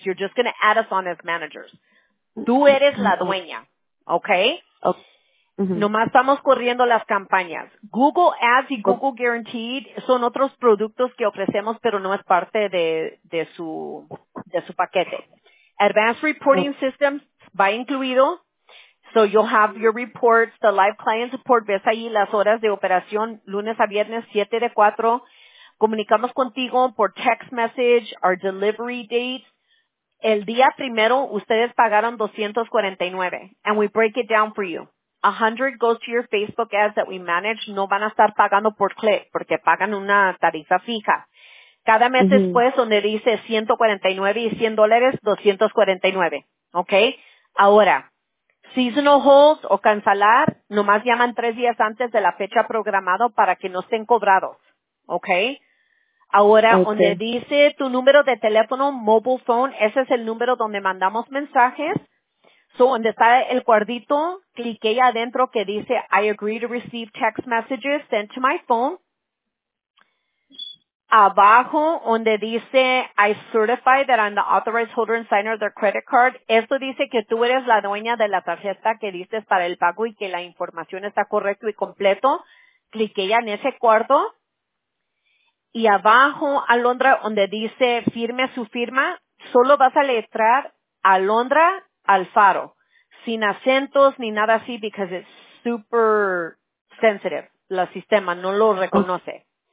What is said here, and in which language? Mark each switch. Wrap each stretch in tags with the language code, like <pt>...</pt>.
<en>You're just going to add us on as managers.</en> <es>Tú eres la dueña,</es> <en>¿okay?</en> <es>Nomás estamos corriendo las campañas. Google Ads y Google Guaranteed son otros productos que ofrecemos, pero no es parte de su paquete.</es> <en>Advanced reporting systems,</en> <es>va incluido.</es> <en>So you'll have your reports, the live client support.</en> <es>Ves ahí las horas de operación, lunes a viernes,</es> <en>7 to 4.</en> <es>Comunicamos contigo por</es> <en>text message, our delivery dates.</en> <es>El día primero, ustedes pagaron 249.</es> <en>And we break it down for you. 100 goes to your Facebook ads that we manage.</en> <es>No van a estar pagando por click porque pagan una tarifa fija. Cada mes mm-hmm. después, donde dice 149 y $100, 249. Okay. Ahora, seasonal hold o cancelar, nomás llaman 3 días antes de la fecha programada para que no estén cobrados. Okay. Ahora, okay. donde dice tu número de teléfono, mobile phone, ese es el número donde mandamos mensajes.</es> <en>So,</en> <es>donde está el cuadrito, cliqué adentro que dice,</es> <en>I agree to receive text messages sent to my phone.</en> <es>Abajo, donde dice,</es> <en>I certify that I'm the authorized holder and signer of their credit card.</en> <es>Esto dice que tú eres la dueña de la tarjeta que diste para el pago y que la información está correcta y completo. Cliqué ya en ese cuarto. Y abajo, Alondra, donde dice, firme su firma, solo vas a letrar Alondra Alfaro, sin acentos ni nada así,</es> <en>because it's super sensitive,</en> <es>la sistema, no lo reconoce.</es>